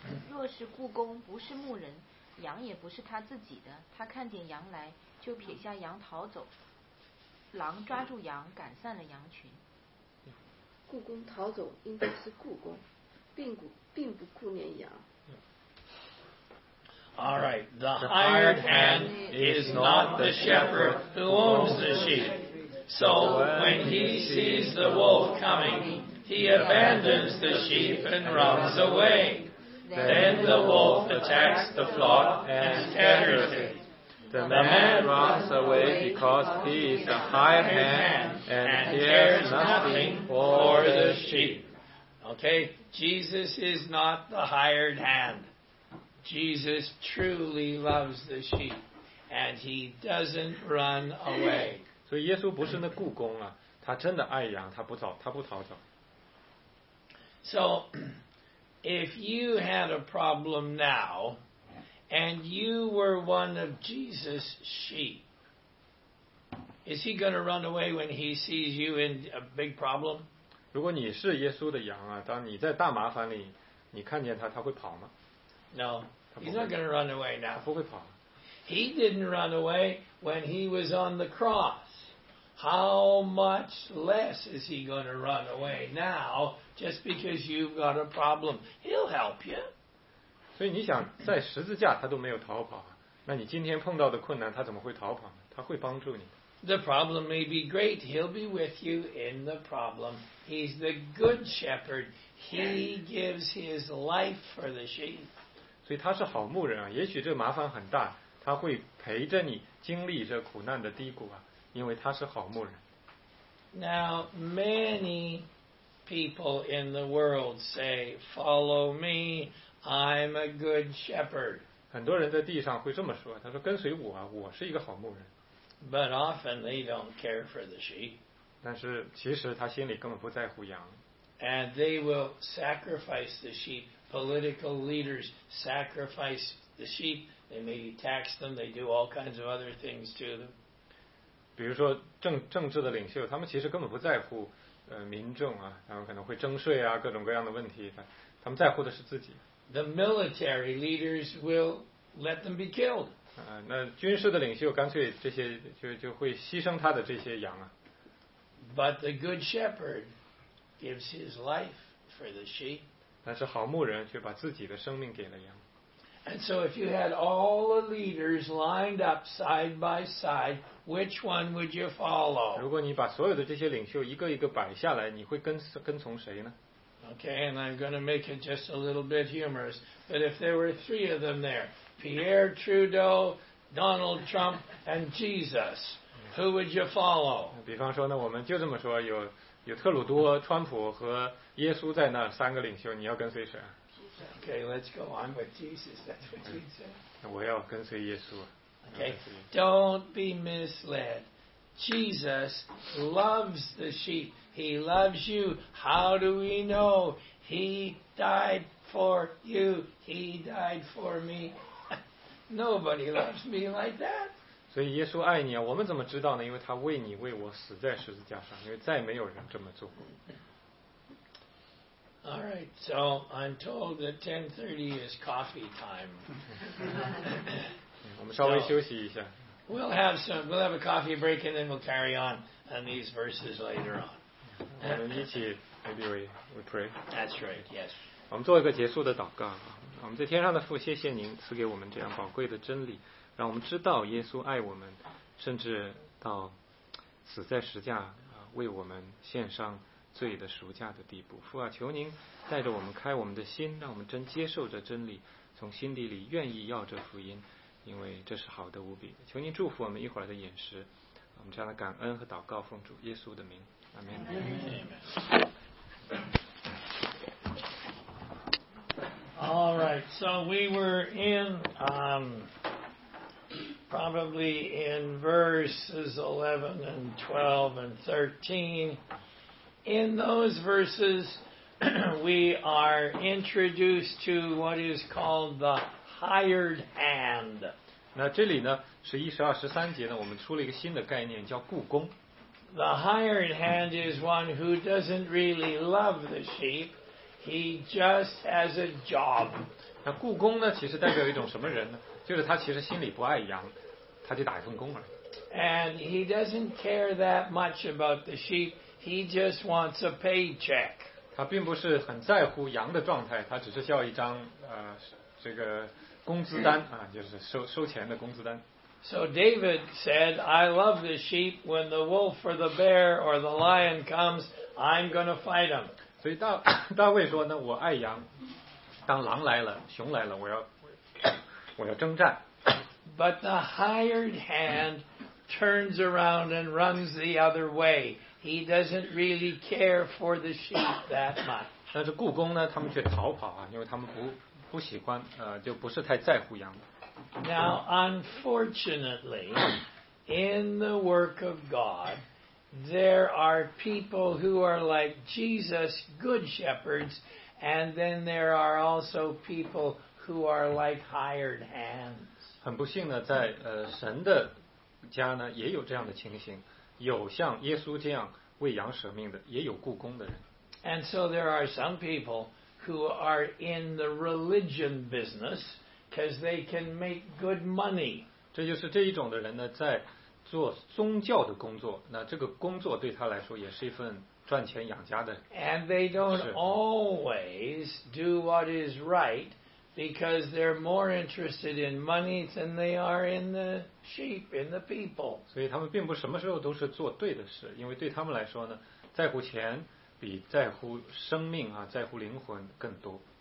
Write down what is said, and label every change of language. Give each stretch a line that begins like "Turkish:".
Chinese: 若是雇工不是牧人，羊也不是他自己的，他看见羊来，就撇下羊逃走。狼抓住羊，赶散了羊群。雇工逃走，应该是雇工，并不顾念羊。
English: All right, the hired hand is not the shepherd who owns the sheep. So when he sees the wolf coming, he abandons the sheep and runs away. Then the wolf attacks the flock and scatters it. The man runs away because he is a hired hand and cares nothing for the sheep. Okay, Jesus is not the hired hand. Jesus truly loves the sheep and he doesn't run away.
Chinese: 所以耶稣不是那雇工啊，他真的爱羊，他不逃走。
English: So, if you had a problem now,And you were one of Jesus' sheep. Is he going to run away when he sees you in a big problem?
Chinese: 如果你是耶稣的羊啊，当你在大麻烦里，你看见他，他会跑吗？
English: No, he's not going to run away now.
Chinese: 他不会跑。
English: He didn't run away when he was on the cross. How much less is he going to run away now just because you've got a problem? He'll help you.
Chinese: 所以你想在十字架他都没有逃跑，那你今天碰到的困难他怎么会逃跑呢？他会帮助你。
English: The problem may be great. He'll be with you in the problem. He's the good shepherd. He gives his life for the sheep.
Chinese: 所以他是好牧人啊，也许这麻烦很大，他会陪着你经历这苦难的低谷啊，因为他是好牧人。
English: Now, many people in the world say, follow me, I'm a good shepherd.
Chinese: 很多人在地上会这么说，他说跟随我啊，我是一个好牧人。
English: But often they don't care for the sheep.
Chinese: 但是其实他心里根本不在乎羊。
English: And they will sacrifice the sheep. Political leaders sacrifice the sheep. They maybe tax them. They do all kinds of other things to them.
Chinese: 比如说政治的领袖，他们其实根本不在乎民众啊，他们可能会征税啊，各种各样的问题。他们在乎的是自己。
English: The military leaders will let them be killed.
Chinese: 那军事的领袖干脆这些就会牺牲他的这些羊啊。
English: But the good shepherd gives his life for the sheep.
Chinese: 但是好牧人却把自己的生命给了羊。
English: And so if you had all the leaders lined up side by side, which one would you follow?
Chinese: 如果你把所有的这些领袖一个一个摆下来，你会跟从谁呢？
English: Okay, and I'm going to make it just a little bit humorous. But if there were three of them there, Pierre Trudeau, Donald Trump, and Jesus, who would you follow?
Chinese: 比方说呢，我们就这么说，有特鲁多、川普和耶稣在那三个领袖，你要跟随谁？
English: Okay, let's go on with Jesus. That's what Jesus said.
Chinese: 我要跟随耶稣。
English: Okay, don't be misled. Jesus loves the sheep. He loves you. How do we know? He died for you. He died for me. Nobody loves me like that.
Chinese: 所以耶稣爱你啊，我们怎么知道呢？因为他为你为我死在十字架上，因为再没有人这么做过。
English: All right, so I'm told that 10:30 is coffee time.
Chinese: 我们稍微休息一下。
English: We'll have a coffee break and then we'll carry on these verses later on.
Chinese: 我们一起
English: maybe we pray. That's right, yes.
Chinese: 我们做一个结束的祷告。我们在天上的父，谢谢您赐给我们这样宝贵的真理，让我们知道耶稣爱我们，甚至到死在十字架为我们献上罪的赎价的地步。父啊，求您带着我们开我们的心，让我们真接受这真理，从心底里愿意要这福音，因为这是好的无比。求您祝福我们一会儿的饮食，我们这样的感恩和祷告奉主耶稣的名，阿门。
English: All right, so we were in probably in verses 11 and 12 and 13. In those verses, we are introduced to what is called the hired hand.
Chinese: 那这里呢，十一、十二、十三节呢，我们出了一个新的概念，叫雇工。
English: The hired hand is one who doesn't really love the sheep. He just has a job.
Chinese: 那雇工呢，其实代表一种什么人呢？就是他其实心里不爱羊，他就打一份工而已。
English: And he doesn't care that much about the sheep. He just wants a paycheck.
Chinese: 他并不是很在乎羊的状态，他只是需要一张这个工资单啊，就是收钱的工资单。
English: So David said, "I love the sheep. When the wolf or the bear or the lion comes, I'm going to fight him."
Chinese: 所以大卫说呢，我爱羊，当狼来了、熊来了，我要征战。
English: But the hired hand turns around and runs the other way. He doesn't really care for the sheep that much.
Chinese: 但是雇工呢，他们却逃跑啊，因为他们不喜欢，就不是太在乎羊。
English: Now, unfortunately, in the work of God, there are people who are like Jesus, good shepherds, and then there are also people who are like hired hands.
Chinese: 很不幸呢，在神的家呢，也有这样的情形。有像耶稣这样为羊舍命的，也有雇工的人。
English: And so there are some people who are in the religion business because they can make good money.
Chinese: 这就是这一种的人呢，在做宗教的工作。那这个工作对他来说也是一份赚钱养家的。
English: And they don't always do what is right Because they're more interested in money than they are in the sheep, in the people.
Chinese: 所以他们并不什么时候都是做对的事，因为对他们来说呢，在乎钱比在乎生命啊，在乎灵魂更多。